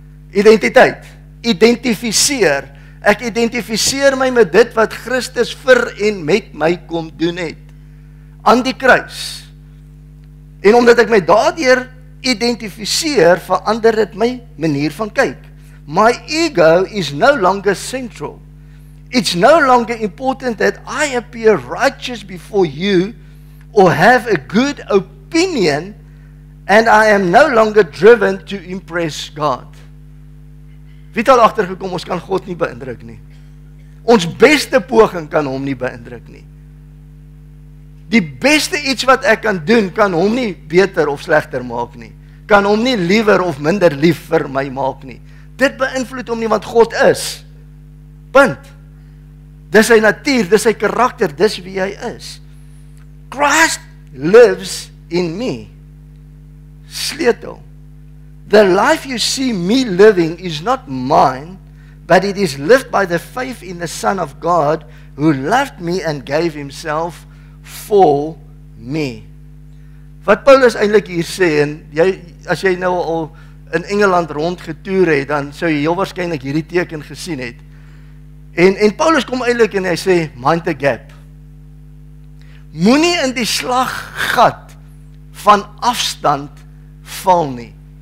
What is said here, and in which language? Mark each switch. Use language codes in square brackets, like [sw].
[af] Identiteit, identificeer. Ek identificeer my met dit wat Christus vir en met my kom doen het. Aan die kruis. En omdat ek my daardeur identificeer, verander het my manier van kyk. [en] My ego is no longer central. It's no longer important that I appear righteous before you or have a good opinion and I am no longer driven to impress God. [af] Wie het al achtergekom, ons kan God nie beïndruk nie. Ons beste poging kan hom nie beïndruk nie. Die beste iets wat ek kan doen, kan hom nie beter of slechter maak nie. Kan hom nie liever of minder lief vir my maak nie. Dit beïnvloed hom nie, want God is. Punt. Dis sy natuur, dis sy karakter, dis wie hy is. [en] Christ lives in me. Sleutel. The life you see me living is not mine, but it is lived by the faith in the Son of God, who loved me and gave himself for me. [af] Wat Paulus eintlik hier sê, en jy, as jy nou al in Engeland rondgetoer het, dan sou jy heel waarskynlik hierdie teken gesien het. En Paulus kom eintlik en hy sê, [en] mind the gap. [af] Moenie in die slaggat van afstand val nie.